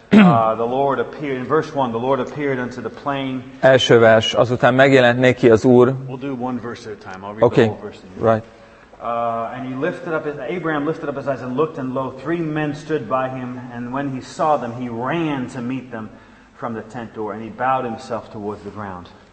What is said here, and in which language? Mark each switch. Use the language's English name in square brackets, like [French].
[English] The Lord appeared in verse 1, the Lord appeared unto the plain. [Hungarian] Első vers, azután megjelent neki az Úr. [English] We'll do one verse at a time. I'll read okay. The whole verse. Okay. Right. And he lifted up his Abraham lifted up his eyes and looked, and lo, three men stood by him, and when he saw them, he ran to meet them from the tent door, and he bowed himself toward the ground.